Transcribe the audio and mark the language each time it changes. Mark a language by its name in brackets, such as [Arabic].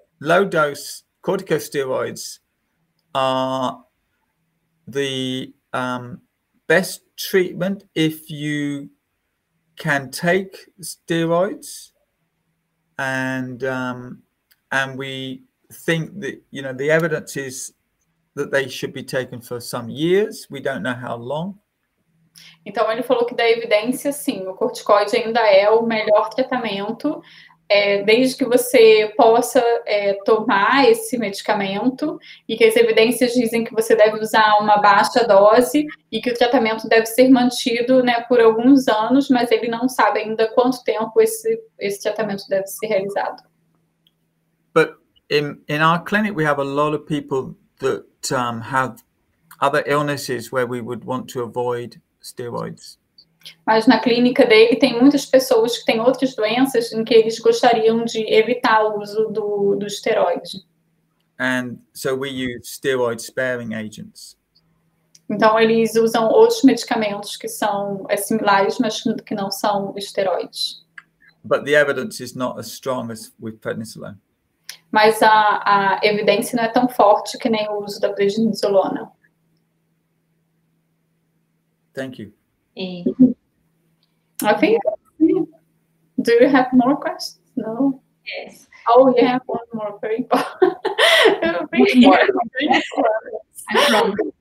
[English] Low dose corticosteroids are the best treatment if you can take steroids, and we think that, you know, the evidence is that they should be taken for some years. We don't know how long. [Portuguese] Então ele falou que da evidência, sim, o corticoide ainda é o melhor tratamento, desde que você possa tomar esse medicamento, e que as evidências dizem que você deve usar uma baixa dose e que o tratamento deve ser mantido, né, por alguns anos, mas ele não sabe ainda quanto tempo esse tratamento deve ser realizado. [English] But in our clinic we have a lot of people that have other illnesses where we would want to avoid steroids. [Portuguese] Mas na clínica dele tem muitas pessoas que têm outras doenças em que eles gostariam de evitar o uso do esteroide. [English] And so we use steroid sparing agents. [Portuguese] Então eles usam outros medicamentos que são similares, mas que não são esteroides. [English] But the evidence is not as strong as with prednisolone. [Portuguese] Mas a evidência não é tão forte que nem o uso da prednisolona. [English] Thank you. I think. Do you have more questions? No. Yes. Oh, you have one more very important.